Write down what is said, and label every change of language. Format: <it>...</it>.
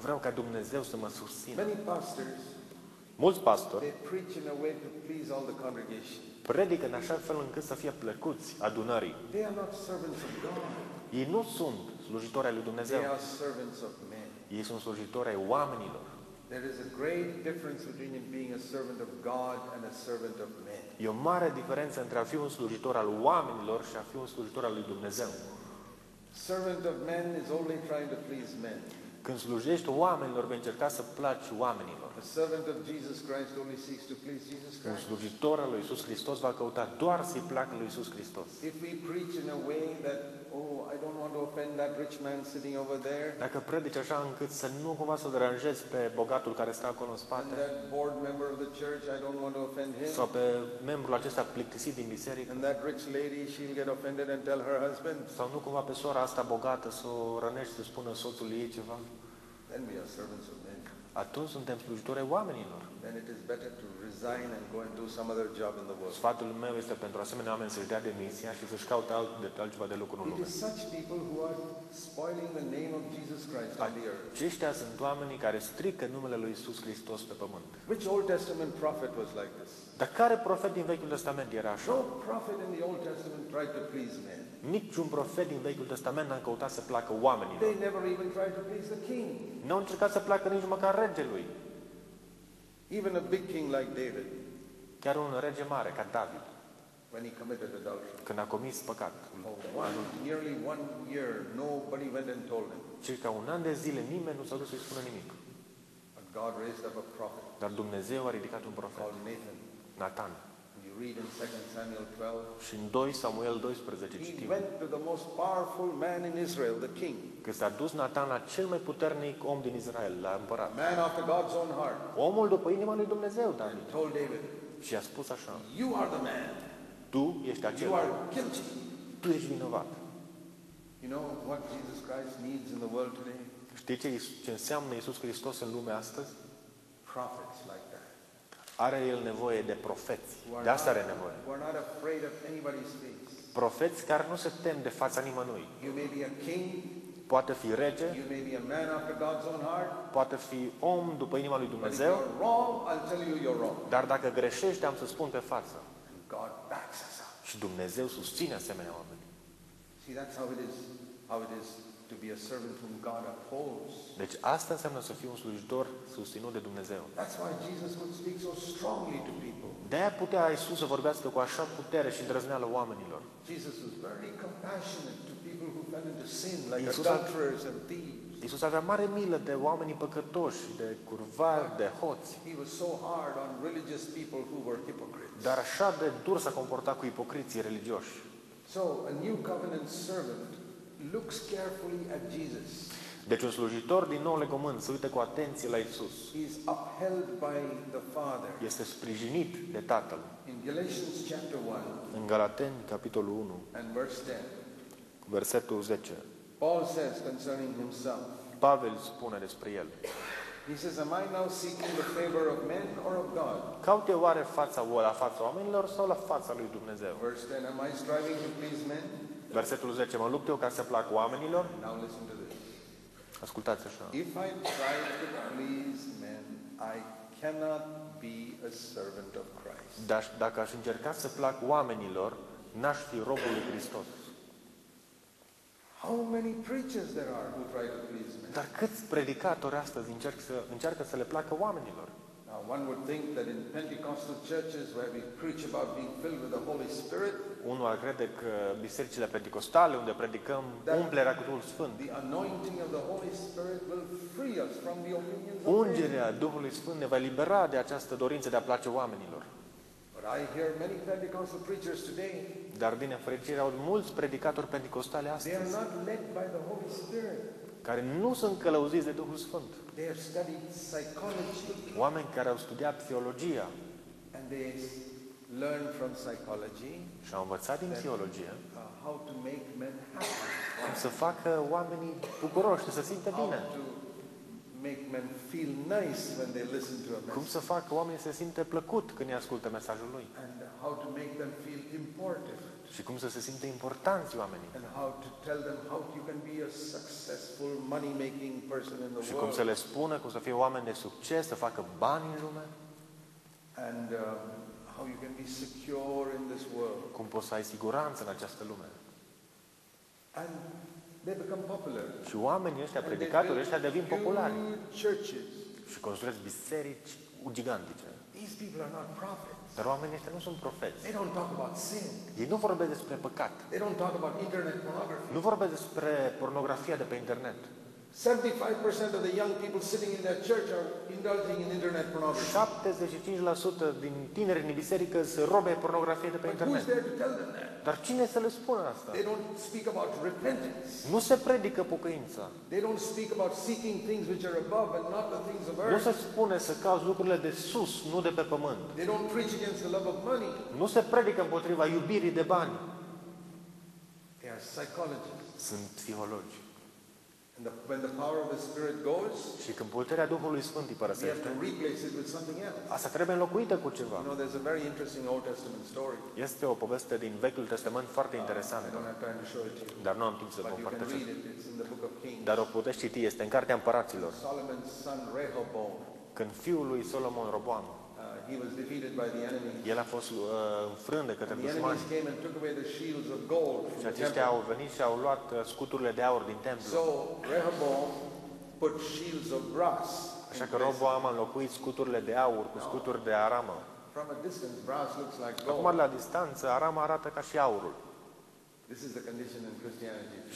<ro>Vreau ca Dumnezeu să mă susțină.</ro> <en>Many pastors,</en> <ro>mulți pastori,</ro> <en>they preach in a way to please all the congregation.</en> <ro>Predică în așa fel încât să fie plăcuți adunării.</ro> <en>They are not servants of God.</en> <ro>Ei nu sunt slujitori ai lui Dumnezeu.</ro> <en>They are servants of men.</en> <ro>Ei sunt slujitori ai oamenilor.</ro> <en>There is a great difference between being a servant of God and a servant of men.</en> <ro>E o mare diferență între a fi un slujitor al oamenilor și a fi un slujitor al lui Dumnezeu.</ro> <en>Servant of men is only trying to please men.</en> <ro>Când slujești oamenilor, vei încerca să placi oamenilor.</ro> <en>A servant of Jesus Christ only seeks to please Jesus Christ.</en> <ro>Un slujitor al lui Iisus Hristos va căuta doar să-i placă lui Iisus Hristos.</ro> <en>If we preach in a way that I don't want to offend that rich man sitting over there.</en> <ro>Dacă predici așa încât să nu cumva să deranjezi pe bogatul care stă acolo în spate.</ro> <en>And that bored member of the church, I don't want to offend him.</en> <ro>Sau pe membrul acesta plictisit din biserică.</ro> <en>And that rich lady, she'll get offended and tell her husband.</en> <ro>Sau nu cumva pe sora asta bogată să o rănești și să spună soțul ei ceva.</ro> <en>Then we are servants of men.</en> <ro>Atunci suntem slujitori ai oamenilor.</ro> <en>Then it is better to resign and go and do some other job in the world.</en> <ro>Sfatul meu este pentru asemenea oameni să-și dea demisia și să-și caute altceva de lucru în lume.</ro> <en>It is such people who are spoiling the name of Jesus Christ on the earth.</en> <ro>Aceștia sunt oamenii care strică numele lui Iisus Hristos pe pământ.</ro> <en>Which Old Testament prophet was like this?</en> <ro>Dar care profet din Vechiul Testament era așa?</ro> <en>No prophet in the Old Testament tried to please men.</en> <ro>Niciun profet din Vechiul Testament n-a căutat să placă oamenilor.</ro> <en>They never even tried to please the king.</en> <ro>N-au încercat să placă nici măcar regelui.</ro> <en>Even a big king like David.</en> <ro>Chiar un rege mare ca David.</ro> <en>When he committed adultery.</en> <ro>Când a comis păcat.</ro> <en>Nearly one year, nobody went and told him.</en> <ro>Circa un an de zile nimeni nu s-a dus să-i spună nimic.</ro> <en>But God raised up a prophet.</en> <ro>Dar Dumnezeu a ridicat un profet.</ro> <en>Called Nathan.</en> <ro>Nathan.</ro> <en>You read in 2 Samuel 12.</en> <ro>Și în 2 Samuel 12 citim.</ro> <en>He went to the most powerful man in Israel, the king.</en> <ro>Că s-a dus Nathan la cel mai puternic om din Israel, la împărat.</ro> <en>Man after God's own heart.</en> <ro>Omul după inima lui Dumnezeu, David.</ro> <en>And told David.</en> <ro>Și a spus așa.</ro> <en>You are the man.</en> <ro>Tu ești acel.</ro> <en>You are guilty.</en> <ro>Tu ești vinovat.</ro> <en>You know what Jesus Christ needs in the world today?</en> <ro>Știi ce înseamnă Iisus Hristos în lumea astăzi?</ro> <en>Prophets like that.</en> <ro>Are el nevoie de profeți. De asta are nevoie.</ro> <en>We're not afraid of anybody's face.</en> <ro>Profeți care nu se tem de fața nimănui.</ro> <en>You may be a king.</en> <ro>Poate fi rege.</ro> <en>You may be a man after God's own heart.</en> <ro>Poate fi om după inima lui Dumnezeu.</ro> <en>But if you're wrong, I'll tell you you're wrong.</en> <ro>Dar dacă greșești, am să spun pe față.</ro> <en>And God backs us up.</en> <ro>Și Dumnezeu susține asemenea oameni.</ro> <en>See, that's how it is. How it is to be a servant whom God upholds.</en> <ro>Deci asta înseamnă să fii un slujitor susținut de Dumnezeu.</ro> <en>That's why Jesus would speak so strongly to people.</en> <ro>De-aia putea Iisus să vorbească cu așa putere și îndrăzneală oamenilor.</ro> <en>Jesus was very compassionate to people who fell into sin like adulterers and thieves.</en> <ro>Iisus avea mare milă de oamenii păcătoși, de curvari, de hoți.</ro> <en>He was so hard on religious people who were hypocrites.</en> <ro>Dar așa de dur s-a comportat cu ipocriții religioși.</ro> <en>So a new covenant servant looks carefully at Jesus.</en> <ro>Deci un slujitor din nou legământ se uită cu atenție la Iisus.</ro> <en>He is upheld by the Father.</en> <ro>Este sprijinit de Tatăl.</ro> <en>In Galatians chapter 1.</en> <ro>În Galateni capitolul 1.</ro> <en>And verse 10.</en> <ro>Versetul 10.</ro> <en>Paul says concerning himself.</en> <ro>Pavel spune despre el.</ro> <en>He says, am I now seeking the favor of men or of God?</en> <ro>Caut eu oare fața la fața oamenilor sau la fața lui Dumnezeu?</ro> <en>Verse 10. Am I striving to please men?</en> <ro>Versetul 10. Mă lupt eu ca să plac oamenilor?</ro> <en>Now listen to this.</en> <ro>Ascultați așa.</ro> <en>If I try to please men, I cannot be a servant of Christ.</en> <ro>Dacă aș încerca să plac oamenilor, n-aș fi robul lui Hristos.</ro> <en>How many preachers there are who try to please men?</en> <ro>Dar câți predicatori astăzi încearcă să le placă oamenilor?</ro> <en>Now one would think that in Pentecostal churches where we preach about being filled with the Holy Spirit,</en> <ro>unul ar crede că bisericile pentecostale unde predicăm umplerea cu Duhul Sfânt,</ro> <en>the anointing of the Holy Spirit will free us from the opinions of men.</en> <ro>Ungerea Duhului Sfânt ne va elibera de această dorință de a place oamenilor.</ro> <en>But I hear many Pentecostal preachers today.</en> <ro>Dar din nefericire au mulți predicatori pentecostale astăzi.</ro> <en>They are not led by the Holy Spirit.</en> <ro>Care nu sunt călăuziți de Duhul Sfânt.</ro> <en>They have studied psychology.</en> <ro>Oameni care au studiat teologia.</ro> <en>And they learn from psychology.</en> <ro>Și au învățat din teologie.</ro> <en>How to make men happy.</en> <ro>Cum să facă oamenii bucuroși, să simtă bine.</ro> <en>How to make men feel nice when they listen to a message.</en> <ro>Cum să facă oamenii să simtă plăcut când îi ascultă mesajul lui.</ro> <en>And how to make them feel important.</en> <ro>Și cum să se simtă importanți oamenii.</ro> <en>And how to tell them how you can be a successful money-making person in the world.</en> <ro>Și cum să le spună cum să fie oameni de succes, să facă bani în lume.</ro> <en>And how you can be secure in this world.</en> <ro>Cum poți să ai siguranță în această lume.</ro> <en>And they become popular.</en> <ro>Și oamenii ăștia, predicatorii ăștia, devin populari.</ro> <en>Churches.</en> <ro>Și construiesc biserici gigantice.</ro> <en>These people are not prophets.</en> <ro>Dar oamenii ăștia nu sunt profeți.</ro> <en>They don't talk about sin.</en> <ro>Ei nu vorbesc despre păcat.</ro> <en>They don't talk about internet pornography.</en> <ro>Nu vorbesc despre pornografia de pe internet.</ro> <en>75% of the young people sitting in their church are indulging in internet pornography.</en> <ro>75% din tineri în biserică se robe pornografie de pe internet.</ro> <en>But who's there to tell them that?</en> <ro>Dar cine să le spună asta?</ro> <en>They don't speak about repentance.</en> <ro>Nu se predică pocăința.</ro> <en>They don't speak about seeking things which are above and not the things of earth.</en> <ro>Nu se spune să cauți lucrurile de sus, nu de pe pământ.</ro> <en>They don't preach against the love of money.</en> <ro>Nu se predică împotriva iubirii de bani.</ro> <en>They are psychologists.</en> <ro>Sunt psihologi.</ro> <en>And when the power of the Spirit goes,</en> <ro>și când puterea Duhului Sfânt îi părăsește,</ro> <en>we have to replace it with something else.</en> <ro>Asta trebuie înlocuită cu ceva.</ro> <en>You know, there's a very interesting Old Testament story.</en> <ro>Este o poveste din Vechiul Testament foarte interesantă.</ro> <en>I don't have time to show it to you.</en> <ro>Dar nu am timp să vă împărtășesc.</ro> <en>But you can read it. It's in the Book of Kings.</en> <ro>Dar o puteți citi. Este în Cartea Împăraților.</ro> <en>Solomon's son Rehoboam.</en> <ro>Când fiul lui Solomon Roboam.</ro> <en>He was defeated by the enemy.</en> <ro>El a fost înfrânt de către dușmani.</ro> <en>The enemies came and took away the shields of gold.</en> <ro>Și aceștia au venit și au luat scuturile de aur din templu.</ro> <en>So Rehoboam put shields of brass.</en> <ro>Așa că Roboam a înlocuit scuturile de aur cu scuturi de aramă.</ro> <en>From a distance, brass looks like gold.</en> <ro>Acum, la distanță, arama arată ca și aurul.</ro> <en>This is the condition in Christianity.</en>